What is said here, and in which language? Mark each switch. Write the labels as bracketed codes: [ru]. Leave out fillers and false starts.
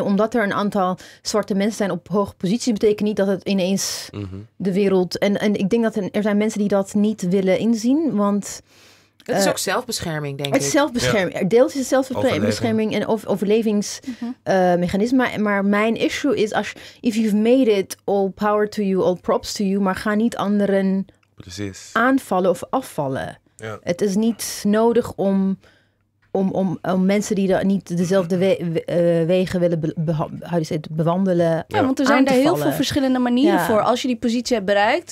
[nl] Omdat er een aantal zwarte mensen zijn op hoge posities, betekent niet dat het ineens de wereld... En ik denk dat er zijn mensen die dat niet willen inzien, want... Het is ook zelfbescherming, denk ik. Het is zelfbescherming. Ja. Deels is het zelfbescherming en overlevingsmechanisme. [en] Maar mijn issue is, if you've made it, all power to you, all props to you. [nl] Maar ga niet anderen aanvallen of afvallen. Ja. Het is niet nodig om mensen die dat niet dezelfde wegen willen bewandelen. Ja, want er zijn daar heel veel verschillende manieren voor. Als je die positie hebt bereikt.